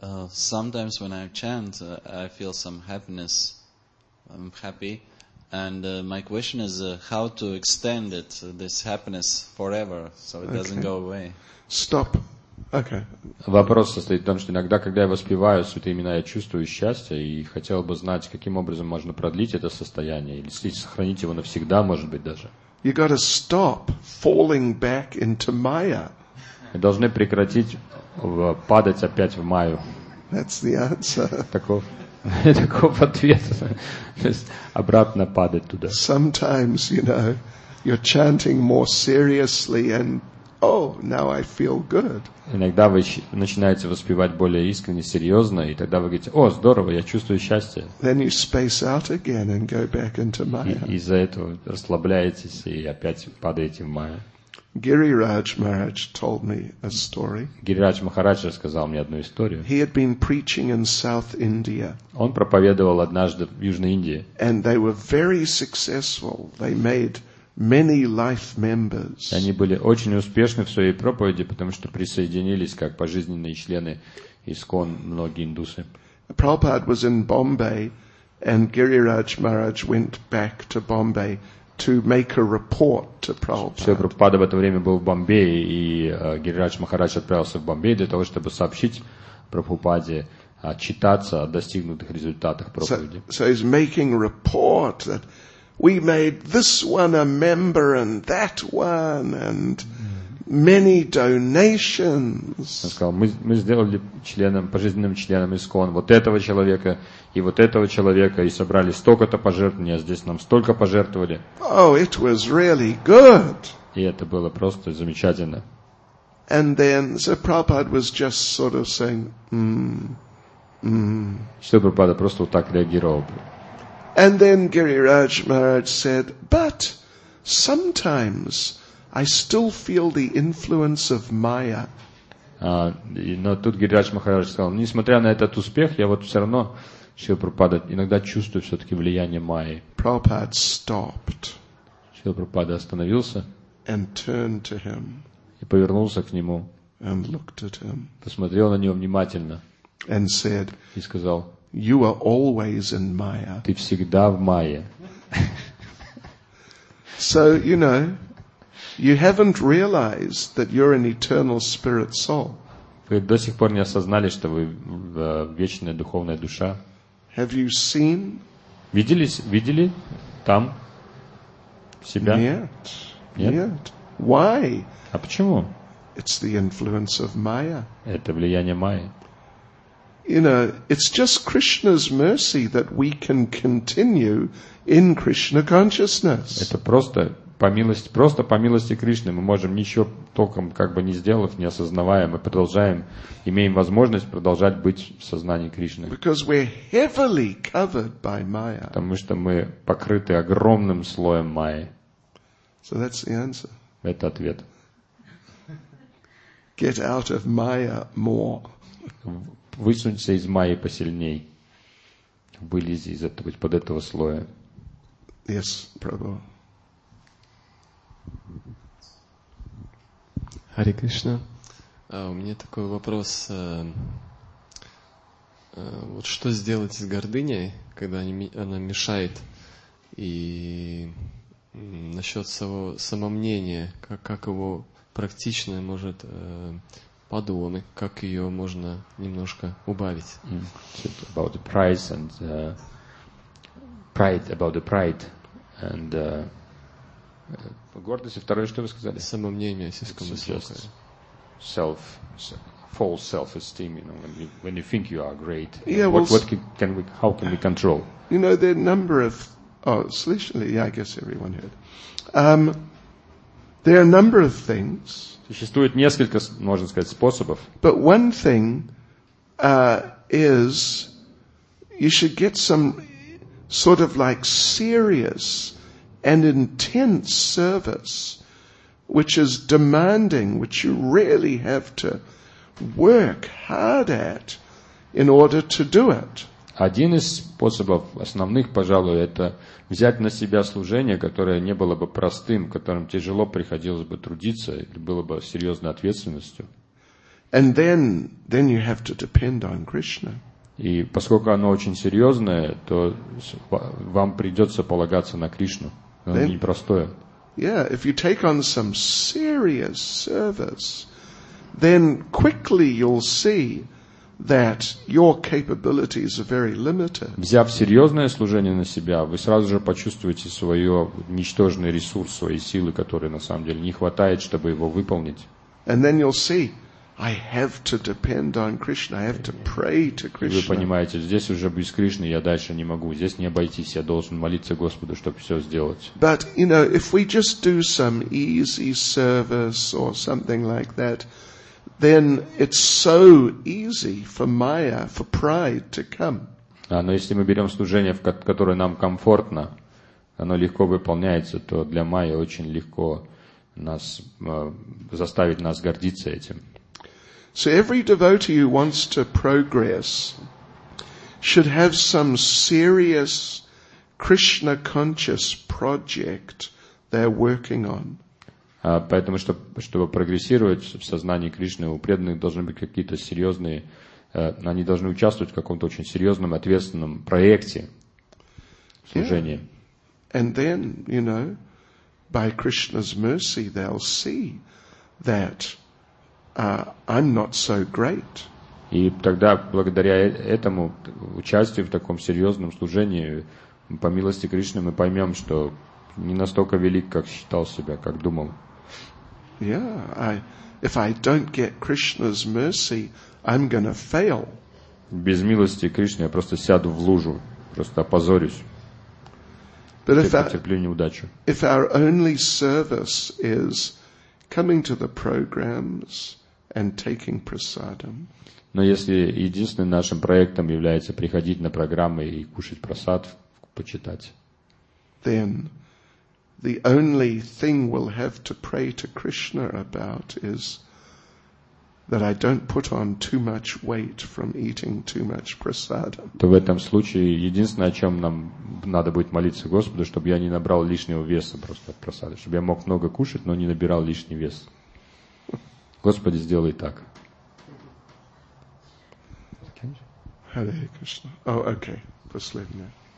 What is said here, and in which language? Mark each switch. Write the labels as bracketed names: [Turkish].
[English] Sometimes when I chant, I feel some happiness. I'm happy. And my question is how to extend it, this happiness forever, so it doesn't go away. Stop. Okay. [Russian] Вопрос состоит в том, что иногда, когда я воспеваю святые имена, я чувствую счастье и хотел бы знать, каким образом можно продлить это состояние или сохранить его навсегда, может быть, даже. [English] You got to stop falling back into Maya. [Russian] Мы должны прекратить падать опять в Майю. [English] That's the answer. [Russian] Таков ответ. То есть обратно падать туда. [English] Sometimes, you know, you're chanting more seriously and oh, now I feel good. [Russian] Иногда вы начинаете воспевать более искренне, серьезно, и тогда вы говорите, о, здорово, я чувствую счастье. [English] Then you space out again and go back into Maya. [Russian] И из-за этого расслабляетесь и опять падаете в Майю. [English] Гирирадж Махарадж told me a story. [Russian] Гирирадж Махарадж рассказал мне одну историю. [English] He had been preaching in South India. [Russian] Он проповедовал однажды в Южной Индии. [English] And they were very successful. They made many life members. [Russian] Они были очень успешны в своей проповеди, потому что присоединились как пожизненные члены ИСКОН многие индусы. [English] Prabhupada was in Bombay, and Гирирадж Махарадж went back to Bombay to make a report to Prabhupada. [Russian] Шрила Прабхупада в это время был в Бомбее, и Гирирадж Махарадж отправился в Бомбей для того, чтобы сообщить Прабхупаде, отчитаться о достигнутых результатах проповеди. [English] So he's making a report that we made this one a member and that one and many donations. [Russian] Он сказал, мы сделали членом, пожизненным членом ИСКОН вот этого человека и вот этого человека и собрали столько-то пожертвований, а здесь нам столько пожертвовали. [English] Oh, it was really good. [Russian] И это было просто замечательно. [English] And then, so Prabhupada was just sort of saying, [Russian] Шрила Прабхупада просто вот так реагировал. [English] And then Гирирадж Махарадж said, but sometimes I still feel the influence of Maya. [Russian] Но тут Гирирадж Махарадж сказал, несмотря на этот успех, я вот все равно, Шрила Прабхупада, иногда чувствую все-таки влияние Майи. [English] Prabhupada stopped. [Russian] Шрила Прабхупада остановился. [English] And turned to him. [Russian] И повернулся к нему. [English] And looked at him. [Russian] Посмотрел на него внимательно. [English] And said. [Russian] И сказал. [English] You are always in Maya. [Russian] Ты всегда в Майе. [English] So, you know, you haven't realized that you're an eternal spirit soul. [Russian] Вы до сих пор не осознали, что вы вечная духовная душа. [English] Have you seen? [Russian] Видели там себя? Нет. [English] Why? [Russian] А почему? [English] It's the influence of Maya. [Russian] Это влияние Майи. [English] You know, it's just Krishna's mercy that we can continue in Krishna consciousness. [Russian] Это просто по милости Кришны мы можем ничего толком как бы не сделав, не осознавая, мы продолжаем, имеем возможность продолжать быть в сознании Кришны. [English] Because we're heavily covered by Maya. [Russian] Потому что мы покрыты огромным слоем Майи. [English] So that's the answer. [Russian] Это ответ. [English] Get out of Maya more. [Russian] Высунься из Майи посильней. Вылези из этого, под этого слоя. [English] Yes, Prabhu. [Russian] Hare Krishna. У меня такой вопрос. Вот что сделать с гордыней, когда она мешает? И насчет своего самомнения, как его практично, может, подуоны, как ее можно немножко убавить? [English] About the pride and pride, about the pride and [Russian] гордость, и второе, что вы сказали? Самомнение, сиском [English] self, false self-esteem, you know, when you think you are great. Yeah, well, what can we, how can we control? You know, there are a number of, slightly, yeah, I guess everyone heard. There are a number of things. [Russian] Существует несколько, можно сказать, способов. [English] But one thing is you should get some sort of like serious and intense service which is demanding, which you really have to work hard at in order to do it. [Russian] Один из способов, основных, пожалуй, это взять на себя служение, которое не было бы простым, которым тяжело приходилось бы трудиться, было бы серьезной ответственностью. [English] And then you have to depend on Krishna. [Russian] И поскольку оно очень серьезное, то вам придется полагаться на Кришну. Оно [English] then, [Russian] непростое. [English] Yeah, if you take on some serious service, then quickly you'll see that your capabilities are very limited. [Russian] Взяв серьезное служение на себя, вы сразу же почувствуете свое ничтожный ресурс, свои силы, которые на самом деле не хватает, чтобы его выполнить. [English] And then you'll see, I have to depend on Krishna, I have to pray to Krishna. [Russian] Вы понимаете, здесь уже без Кришны я дальше не могу, здесь не обойтись, я должен молиться Господу, чтобы все сделать. [English] But, you know, if we just do some easy service or something like that, then it's so easy for Maya, for pride to come. [Russian] А, но если мы берем служение, в которое нам комфортно, оно легко выполняется, то для Майи очень легко нас заставить нас гордиться этим. [English] So every devotee who wants to progress should have some serious Krishna conscious project they're working on. [Russian] Поэтому, чтобы прогрессировать в сознании Кришны, у преданных должны быть какие-то серьезные, они должны участвовать в каком-то очень серьезном, ответственном проекте служения. [English] Yeah. And then, you know, by Krishna's mercy, they'll see that I'm not so great. [Russian] И тогда, благодаря этому участию в таком серьезном служении, по милости Кришны, мы поймем, что не настолько велик, как считал себя, как думал. [English] Yeah, if I don't get Krishna's mercy, I'm gonna fail. [Russian] Без милости Кришны я просто сяду в лужу, просто опозорюсь. Потерплю неудачу. [English] If our only service is coming to the programs and taking prasadam. [Russian] Но если единственным нашим проектом является приходить на программы и кушать прасад, почитать. [English] Then the only thing we'll have to pray to Krishna about is that I don't put on too much weight from eating too much prasadam. [Russian] То в этом случае единственное, о чем нам надо будет молиться Господу, чтобы я не набрал лишнего веса просто от прасада, чтобы я мог много кушать, но не набирал лишний вес. Господи, сделай так. [English] Hare Krishna. Oh, okay. [Russian] Последнее.